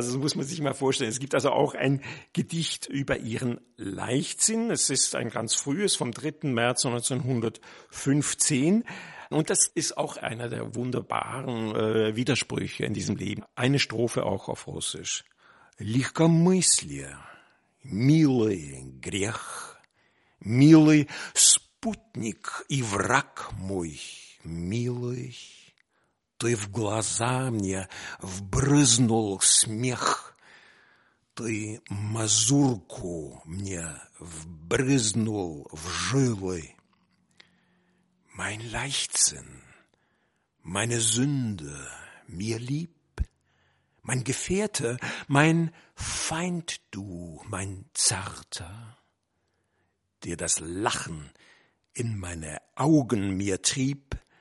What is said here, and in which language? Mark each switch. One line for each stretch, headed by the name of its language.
German: Also das muss man sich mal vorstellen. Es gibt also auch ein Gedicht über ihren Leichtsinn. Es ist ein ganz frühes, vom 3. März 1915. Und das ist auch einer der wunderbaren Widersprüche in diesem Leben. Eine Strophe auch auf Russisch.
Russian: Легкомыслие, милый грех, милый спутник и враг мой, милый, ты в глаза мне вбрызнул смех, ты мазурку мне вбрызнул в жилы.
German: Mein Leichtsinn, meine Sünde, mir lieb, mein Gefährte, mein Feind du, mein Zarter, dir das Lachen in meine Augen mir trieb,